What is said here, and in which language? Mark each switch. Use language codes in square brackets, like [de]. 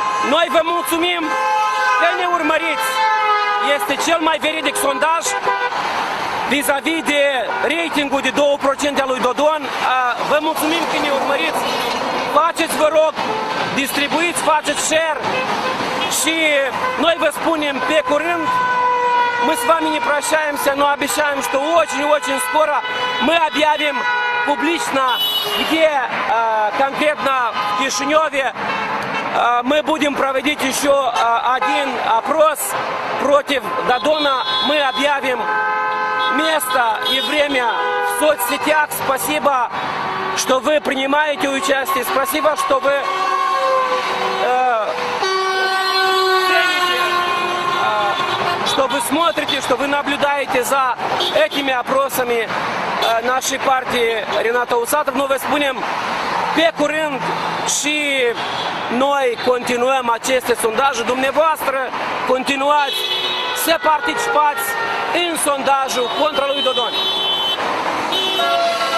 [ro] Noi vă mulțumim că ne urmăriți. Este cel mai veridic sondaj vis-a-vis de ratingul de 2% al lui Dodon. Vă mulțumim că ne urmăriți. Faceți, vă rog, distribuiți, faceți share și noi vă spunem pe curând. [ru] Мы с вами не прощаемся, но обещаем, что очень-очень скоро мы объявим публично, где конкретно в Кишиневе мы будем проводить еще один опрос против Дадона. Мы объявим место и время в соцсетях. Спасибо, что вы принимаете участие. Спасибо, что вы смотрите, что вы наблюдаете за этими опросами нашей партии Рената Усатов. Но мы [ro] спунем пекуринг [ru] и мы продолжаем эти сондажи. [ro] Dumneavoastră continuați să participați în sondajul contra lui Dodon.